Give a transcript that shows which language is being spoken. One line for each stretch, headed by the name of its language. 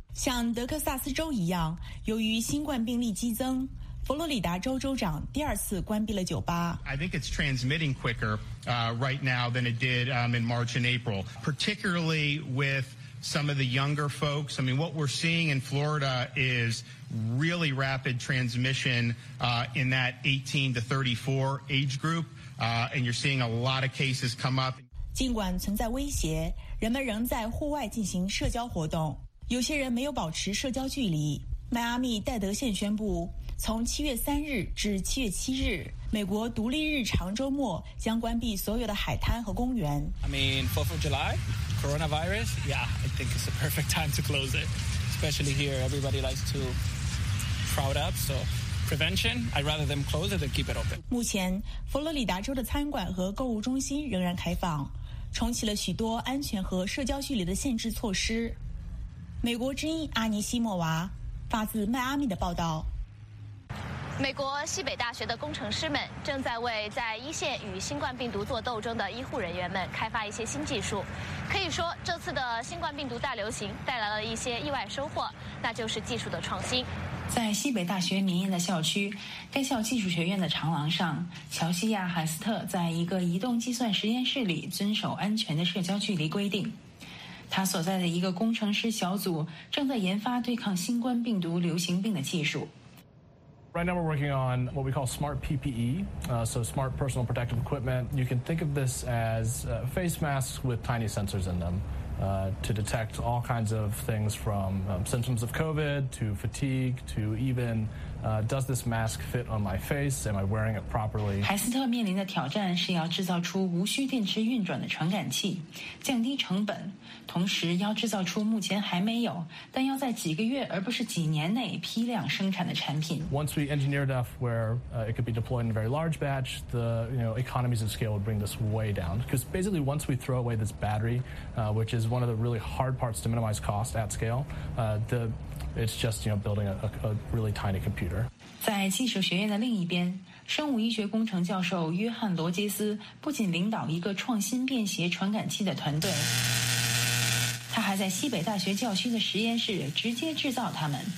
Chinese: 像德克萨斯州一样，由于新冠病例激增。佛罗里达州州长第二次关闭了酒吧。
English: I think it's transmitting quicker right now than it did in March and April, particularly with some of the younger folks. I mean, what we're seeing in Florida is really rapid transmission in that 18 to 34 age group, and you're seeing a lot of cases come up.
Chinese: 尽管存在威胁，人们仍在户外进行社交活动。有些人没有保持社交距离。迈阿密戴德县宣布。从7月3日至7月7日，美国独立日长周末将关闭所有的海滩和公园。
English: I mean, 4th of July, coronavirus. Yeah, I think it's the perfect time to close it. especially here, everybody likes to crowd up, so... Prevention, I'd rather them close it than keep it open.
Chinese: 目前，佛罗里达州的餐馆和购物中心仍然开放，重启了许多安全和社交距离的限制措施。美国之音阿尼西莫娃发自迈阿密的报道。美国西北大学的工程师们正在为在一线与新冠病毒做斗争的医护人员们开发一些新技术。可以说，这次的新冠病毒大流行带来了一些意外收获，那就是技术的创新。在西北大学民营的校区，该校技术学院的长廊上，乔西亚·海斯特在一个移动计算实验室里遵守安全的社交距离规定。他所在的一个工程师小组正在研发对抗新冠病毒流行病的技术。
English: Right now we're working on what we call smart PPE, so smart personal protective equipment. You can think of this as face masks with tiny sensors in them. To detect all kinds of things from symptoms of COVID to fatigue to even does this mask fit on my face? Am I wearing it properly?
Chinese: 海斯特面临的挑战是要制造出无需电池运转的传感器，降低成本，同时要制造出目前还没有，但要在几个月而不是几年内批量生产的产品。
English: Once we engineer enough where it could be deployed in a very large batch, the economies of scale would bring this way down. Because basically, once we throw away this battery, which is one of the really hard parts to minimize cost at scale, it's just building a really tiny computer.
Chinese: 在技术学院的另一边，生物医学工程教授约翰·罗杰斯不仅领导一个创新便携传感器的团队。他还在西北大学教区的实验室直接制造它们。